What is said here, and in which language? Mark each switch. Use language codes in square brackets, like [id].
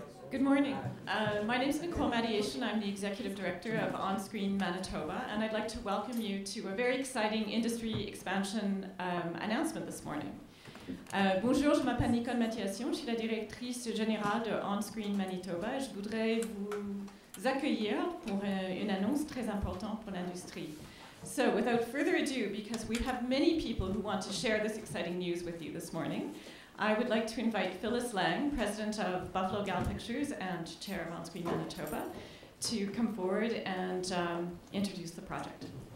[en] Good morning. My name is Nicole Mattiation. I'm the Executive Director of On-Screen Manitoba, and I'd like to welcome you to a very exciting industry expansion announcement this morning. [fr] Bonjour, je m'appelle Nicole Mattiation. Je suis la Directrice Générale de On-Screen Manitoba. Je voudrais vous accueillir pour une annonce très importante pour l'industrie. [en] So without further ado, because we have many people who want to share this exciting news with you this morning, I would like to invite Phyllis Lang, president of Buffalo Gal Pictures and chair of On-Screen Manitoba, to come forward and introduce the project.